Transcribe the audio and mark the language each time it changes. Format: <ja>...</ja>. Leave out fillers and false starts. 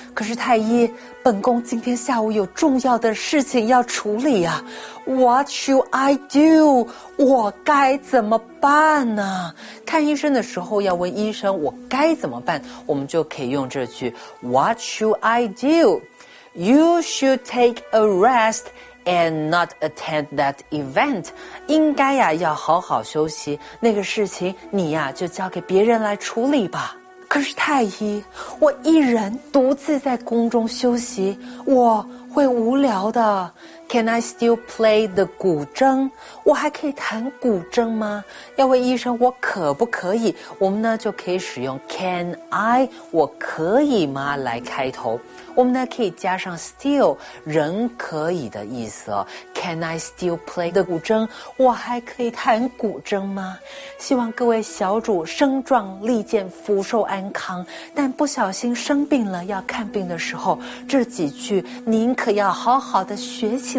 <zh>可是太医，本宫今天下午有重要的事情要处理啊。</zh> <en>What should I do?</en> <zh>我该怎么办呢？看医生的时候要问医生我该怎么办，我们就可以用这句</zh> <en>What should I do? You should take a rest. And not attend that event.</en> <zh>应该呀、啊、要好好休息。那个事情你呀、啊、就交给别人来处理吧。可是太医，我一人独自在宫中休息，我会无聊的。</zh> <en>Can I still play the 古筝？</en> <zh>我还可以弹古筝吗？要问医生我可不可以？我们呢就可以使用</zh> <en>Can I</en> <zh>我可以吗来开头。我们呢可以加上 still 仍可以的意思哦。</zh> <en>Can I still play the 古筝？</en> <zh>我还可以弹古筝吗？希望各位小主生壮力健，福寿安康。但不小心生病了要看病的时候，这几句您可要好好的学习。</zh>